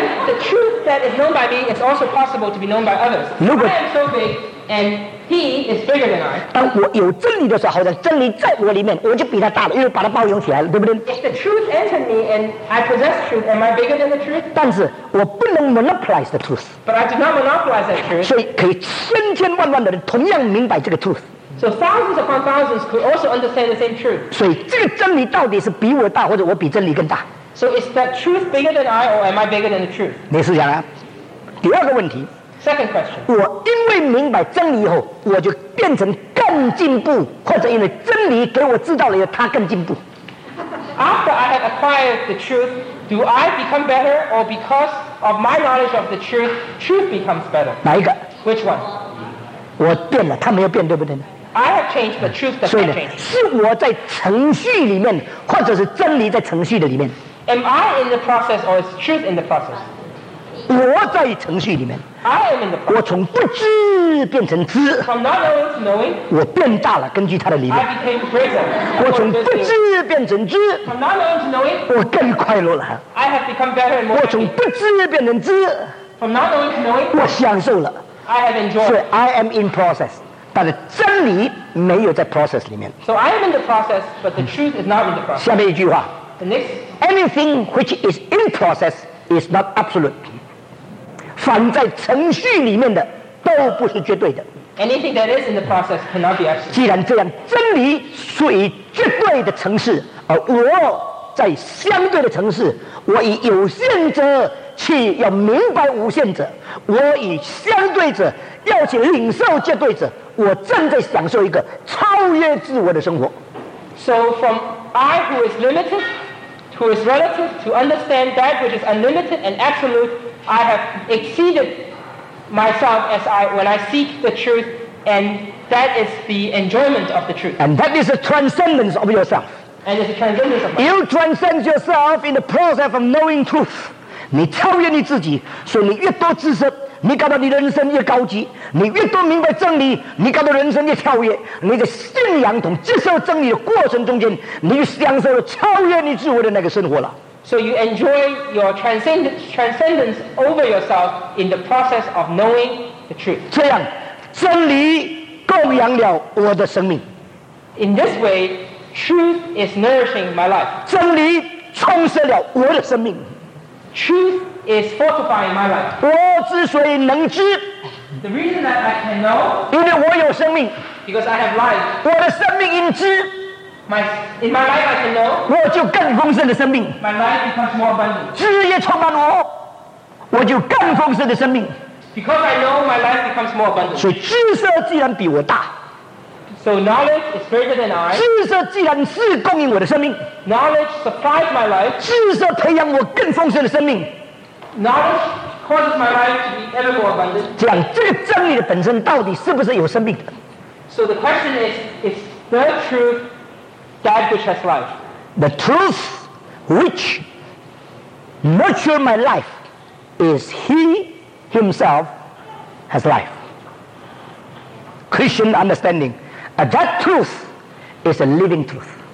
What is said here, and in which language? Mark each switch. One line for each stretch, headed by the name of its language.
English: The truth that is known by me is also possible to be known by others. No, I am so big, and he is bigger than I.
Chinese: 当我有真理的时候，好像真理在我里面，我就比他大了，因为把他包容起来了，对不对
English: ？If the truth entered me and I possess truth, am I bigger than the truth?
Chinese: 但是我不能
English: monopolize the truth. But I do not monopolize that truth.
Chinese: 所以可以千千万万的人同样明白这个 truth.
English: So thousands upon thousands could also understand the same truth.
Chinese: 所以这个真理到底是比我大，或者我比真理更大？
English: So is that truth bigger than I, or am I bigger than the truth?
Chinese: 你是想啊？第二个问题。
English: Second question.
Chinese: 我因为明白真理以后，我就变成更进步，或者因为真理给我知道了，他更进步。
English: After I have acquired the truth, do I become better, or because of my knowledge of the truth, truth becomes better?
Chinese: 哪一个
English: ？Which one?
Chinese: 我变了，他没有变，对不对？
English: I have changed, but truth doesn't change.
Chinese: 是我在程序里面，或者是真理在程序的里面。
English: Am I in the process or is truth in the process?
Chinese: 我在程序里面。
English: I am in the process.
Chinese: 我从不知变成知。
English: From not knowing to knowing.
Chinese: 我变大了，根据它的里面。
English: I became greater.
Chinese: 我从不知变成知。
English: From not knowing to knowing.
Chinese: 我更快乐了。
English: I have become better and more.
Chinese: 我从不知变成知。
English: From not knowing to knowing.
Chinese: 我享受了。
English: I have enjoyed.
Chinese: 所以
English: I am in process.
Chinese: 但是真理没有在 process 里面。
English: So I am in the process, but the truth is not in the process.
Chinese: 下面一句话。
English: The next. Anything which is in process is not absolute.
Chinese: 凡在程序里面的都不是绝对的。
English: Anything that is in the process cannot be absolute.
Chinese: 既然这样，真理属于绝对的程式，而我在相对的程式，我以有限者去要明白无限者，我以相对者要去领受绝对者。我正在享受一个超越自我的生活。
English: So from I who is limited, who is relative, to understand that which is unlimited and absolute, I have exceeded myself as I when I seek the truth, and that is the enjoyment of the truth. And that is the transcendence of yourself. And it's the transcendence of myself. You transcend yourself in the process of knowing truth.
Chinese: 你超越你自己，所以你越多知识。你感到你人生越高级，你越多明白真理，你感到人生越跳跃。你的信仰同接受真理的过程中间，你享受了超越你自我的那个生活了。
English: So you enjoy your transcendence over yourself in the process of knowing the truth.
Chinese: 这样，真理供养了我的生命。
English: In this way, truth is nourishing my life.
Chinese: 真理充实了我的生命。
English: Truth. Is fortifying my life.
Chinese: 我之所以能知
English: the reason that I can know,
Chinese: 因为我有生命
English: because I have life.
Chinese: 我的生命因知
English: in my life I can know,
Chinese: 我就更丰盛的生命
English: my life becomes more abundant.
Chinese: 知也充满我，我就更丰盛的生命
English: because I know my life becomes more abundant.
Chinese: 所以知识既然比我大
English: so knowledge is greater than I.
Chinese: 知识既然是供应我的生命
English: knowledge supplies my life.
Chinese: 知识培养我更丰盛的生命
English: Knowledge causes my life to be ever more abundant.
Chinese: 这样，这个真理的本身到底是不是有生命的
English: ？So the question is: Is the truth that which has life? The truth which nurtures my life is He Himself has life. Christian understanding, that truth is a living truth.